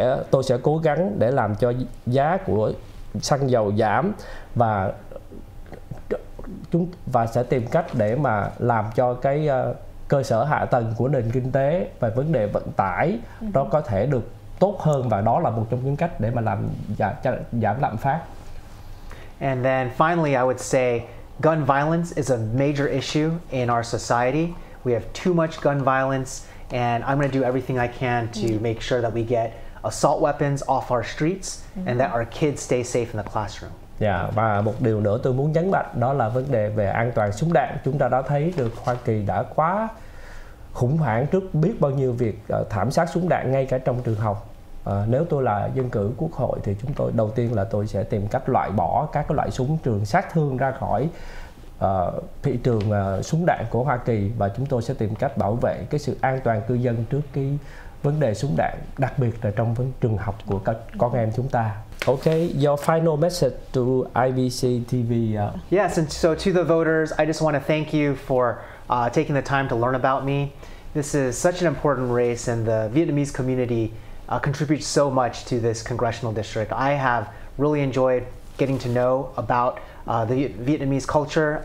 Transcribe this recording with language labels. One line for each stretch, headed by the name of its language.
Vietnamese: Tôi sẽ cố gắng để làm cho giá của xăng dầu giảm và sẽ tìm cách để mà làm cho cái cơ sở hạ tầng của nền kinh tế và vấn đề vận tải nó có thể được tốt hơn, và đó là một trong những cách để mà làm giảm lạm phát.
English: And then finally, I would say gun violence is a major issue in our society. We have too much gun violence, and I'm going to do everything I can to make sure that we get assault weapons off our streets and that our kids stay safe in the classroom.
Vietnamese: Yeah, và một điều nữa tôi muốn nhấn mạnh đó là vấn đề về an toàn súng đạn. Chúng ta đã thấy được Hoa Kỳ đã quá khủng hoảng trước biết bao nhiêu việc thảm sát súng đạn ngay cả trong trường học. Nếu tôi là dân cử quốc hội thì chúng tôi đầu tiên là tôi sẽ tìm cách loại bỏ các cái loại súng trường sát thương ra khỏi thị trường súng đạn của Hoa Kỳ, và chúng tôi sẽ tìm cách bảo vệ cái sự an toàn cư dân trước cái vấn đề súng đạn, đặc biệt là trong trường học của các con em chúng ta.
English: Okay, your final message to IBC TV. Yes, and so to the voters, I just want to thank you for taking the time to learn about me. This is such an important race, and the Vietnamese community contributes so much to this congressional district. I have really enjoyed getting to know about the Vietnamese culture.